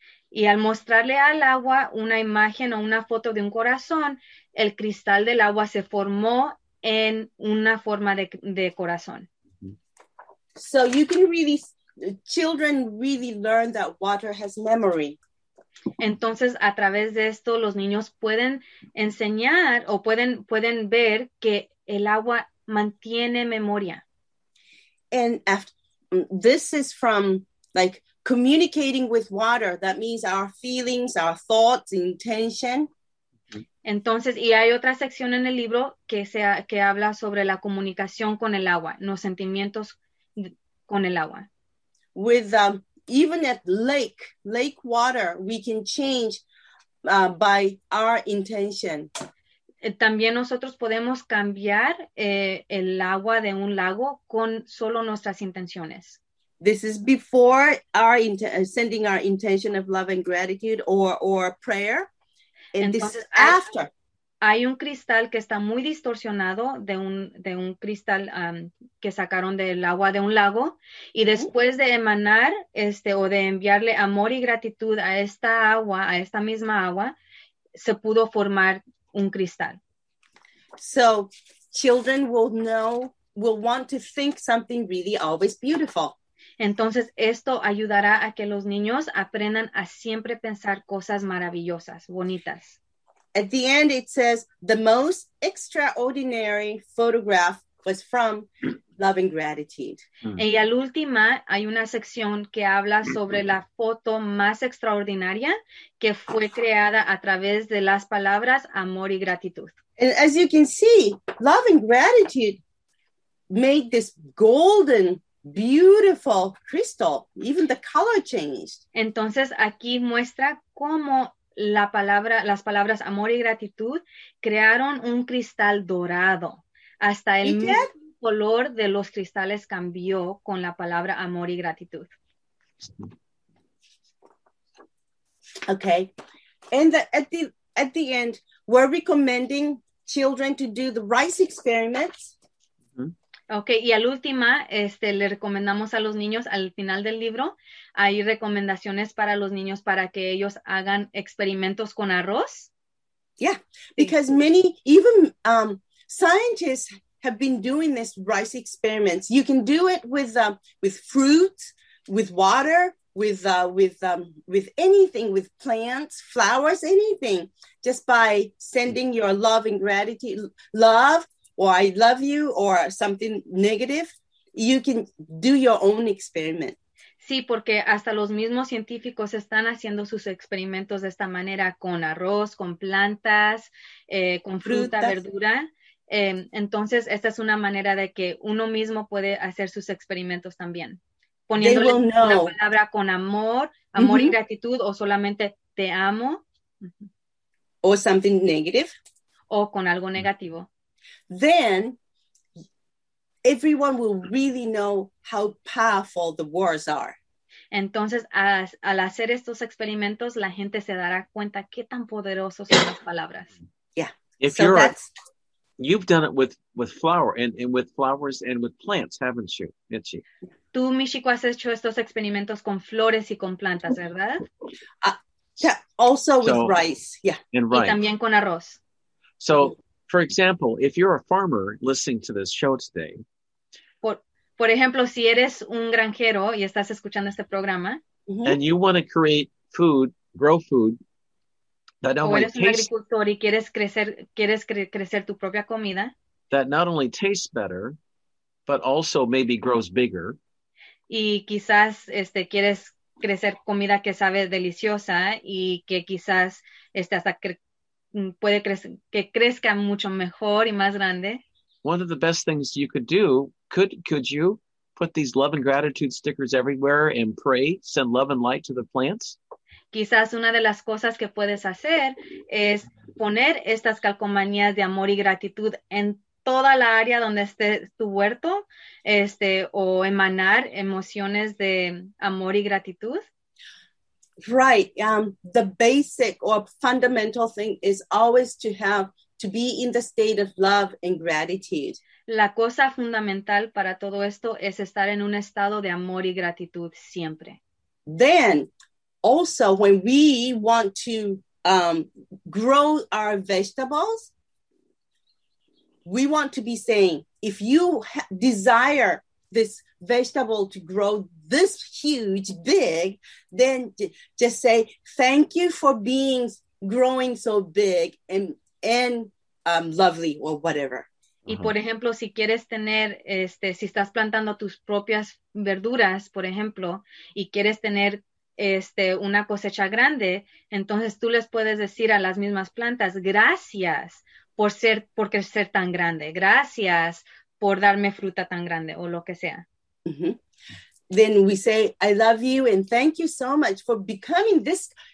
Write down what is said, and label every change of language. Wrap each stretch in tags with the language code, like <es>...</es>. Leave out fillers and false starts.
<es>Y al mostrarle al agua una imagen o una foto de un corazón, el cristal del agua se formó en una forma de corazón.</es> <en>So you can really, children really learn that water has memory.</en> <es>Entonces, a través de esto, los niños pueden enseñar o pueden ver que el agua mantiene memoria.</es> <en>And after, this is from like communicating with water. That means our feelings, our thoughts, intention.</en> <es>Entonces, y hay otra sección en el libro que habla sobre la comunicación con el agua, los sentimientos con el agua.</es> <en>With even at lake water, we can change by our intention.</en> <es>También nosotros podemos cambiar el agua de un lago con solo nuestras intenciones.</es> <en>This is before our sending our intention of love and gratitude or prayer. And this is after.</en> <es>Hay un cristal que está muy distorsionado de un cristal que sacaron del agua de un lago. Y después de emanar o de enviarle amor y gratitud a esta agua, a esta misma agua, se pudo formar un cristal.</es> <en>So children will want to think something really always beautiful.</en> <es>Entonces esto ayudará a que los niños aprendan a siempre pensar cosas maravillosas, bonitas.</es> <en>At the end it says the most extraordinary photograph was from love and gratitude. Mm-hmm.</en> <es>Y al último hay una sección que habla sobre la foto más extraordinaria que fue creada a través de las palabras amor y gratitud.</es> <en>And as you can see, love and gratitude made this golden, beautiful crystal. Even the color changed.</en> <es>Entonces aquí muestra cómo las palabras amor y gratitud crearon un cristal dorado. Hasta el color de los cristales cambió con la palabra amor y gratitud. Okay.</es> <en>And at the end, we're recommending children to do the rice experiments. Mm-hmm. Okay.</en> <es>Y al último, le recomendamos a los niños, al final del libro, hay recomendaciones para los niños para que ellos hagan experimentos con arroz. Yeah.</es> <en>Because many, even scientists have been doing this rice experiments. You can do it with fruit, with water, with anything, with plants, flowers, anything. Just by sending your love and gratitude, love, or I love you, or something negative, you can do your own experiment.</en> <es>Sí, porque hasta los mismos científicos están haciendo sus experimentos de esta manera, con arroz, con plantas, con fruta, verdura. Entonces, esta es una manera de que uno mismo puede hacer sus experimentos también. Poniéndole una palabra con amor mm-hmm. y gratitud, o solamente te amo.</es> <en>O something negative.</en> <es>O con algo negativo.</es> <en>Then, everyone will really know how powerful the words are.</en> <es>Entonces, al hacer estos experimentos, la gente se dará cuenta qué tan poderosos son las palabras. Yeah.</es> <en>You've done it with flower and with flowers and with plants, haven't you, Michi?</en> <es>Tú, Michiko, has hecho estos experimentos con flores y con plantas, ¿verdad?</es> <en>With rice, yeah. And rice.</en> <es>Y también con arroz.</es> <en>So, for example, if you're a farmer listening to this show today.</en> <es>Por ejemplo, si eres un granjero y estás escuchando este programa.</es> <en>And you want to create food, grow food. That not</en> <es>o eres un agricultor y quieres crecer tu propia comida.</es> <en>That not only tastes better, but also maybe grows bigger.</en> <es>Y quizás quieres crecer comida que sabe deliciosa y que quizás este hasta puede que crezca mucho mejor y más grande.</es> <en>One of the best things you could do, could you put these love and gratitude stickers everywhere and pray, send love and light to the plants?</en> <es>Quizás una de las cosas que puedes hacer es poner estas calcomanías de amor y gratitud en toda la área donde esté tu huerto, este, o emanar emociones de amor y gratitud. Right.</es> <en>The basic or fundamental thing is always to have to be in the state of love and gratitude.</en> <es>La cosa fundamental para todo esto es estar en un estado de amor y gratitud siempre.</es> <en>Then, also, when we want to grow our vegetables, we want to be saying, if you desire this vegetable to grow this huge, big, then just say, thank you for being growing so big and lovely or whatever.</en> <es>Y por ejemplo, si quieres tener, este, si estás plantando tus propias verduras, por ejemplo, y quieres tener este, una cosecha grande, entonces tú les puedes decir a las mismas plantas, gracias por crecer tan grande, gracias por darme fruta tan grande, o lo que sea. Mm-hmm.</es> <en>Then we say, I love you and thank you so much for becoming this.</en>